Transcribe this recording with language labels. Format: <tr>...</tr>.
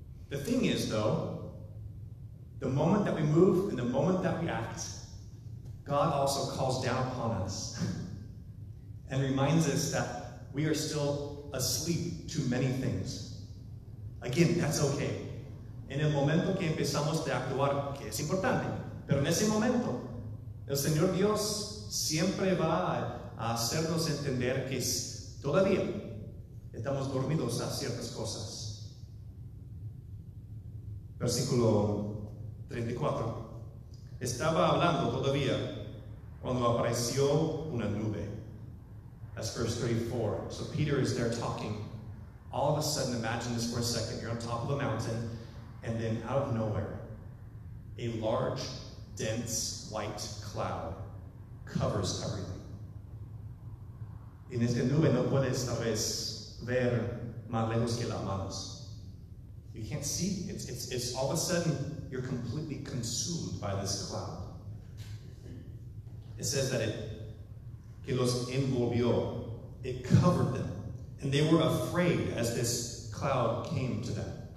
<en>The thing is, though, the moment that we move and the moment that we act, God also calls down upon us and reminds us that we are still asleep to many things. Again, that's okay.</en> <es>En el momento que empezamos de actuar, que es importante, pero en ese momento, el Señor Dios siempre va a hacernos entender que todavía estamos dormidos a ciertas cosas. Versículo 34. Estaba hablando todavía cuando apareció una nube.</es> <en>That's verse 34. So Peter is there talking. All of a sudden, imagine this for a second. You're on top of a mountain, and then out of nowhere, a large, dense, white cloud covers everything.</en> <es>En esta nube no puedes tal vez ver más lejos que las manos.</es> <en>You can't see. It's all of a sudden, you're completely consumed by this cloud. It says that</en> <es>que los envolvió.</es> <en>It covered them. And they were afraid as this cloud came to them.</en>